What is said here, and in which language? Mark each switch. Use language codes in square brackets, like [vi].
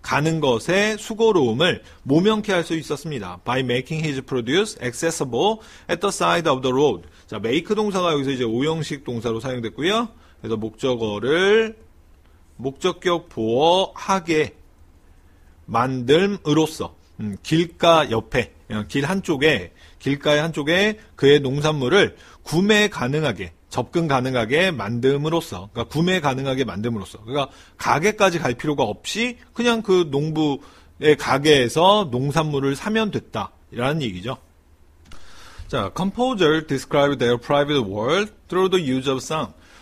[ko] 가는 것의 수고로움을 모면케 할 수 있었습니다. [en] By making his produce accessible at the side of the road. [ko] 자, make 동사가 여기서 이제 오형식 동사로 사용됐고요. 그래서 목적어를 목적격 보호하게 만듦으로써 길가 옆에 길 한쪽에 길가의 한쪽에 그의 농산물을 구매 가능하게 접근 가능하게 만듦으로써 그러니까 구매 가능하게 만듦으로써 그러니까 가게까지 갈 필요가 없이 그냥 그 농부의 가게에서 농산물을 사면 됐다라는 얘기죠. [en] 자, composer described their private world through the use of song.